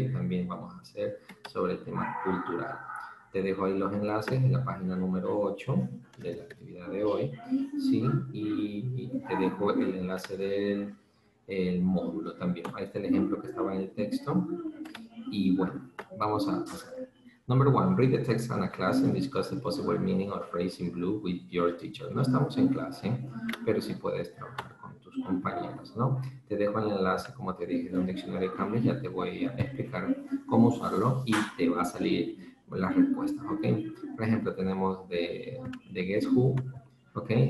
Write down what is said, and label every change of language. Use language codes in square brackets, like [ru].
[es] También vamos a hacer sobre el tema cultural. Te dejo ahí los enlaces en la página número 8 de la actividad de hoy, ¿sí? Y te dejo el enlace del el módulo también. Ahí está el ejemplo que estaba en el texto. Y bueno, vamos a hacer. [en] Number one, read the text in a class and discuss the possible meaning of phrase in blue with your teacher. [es] No estamos en clase, pero sí puedes trabajar con tus compañeros, ¿no? Te dejo el enlace, como te dije, de un diccionario de Cambridge. Ya te voy a explicar cómo usarlo y te va a salir las respuestas, ¿ok? Por ejemplo, tenemos de Guess Who, ¿ok?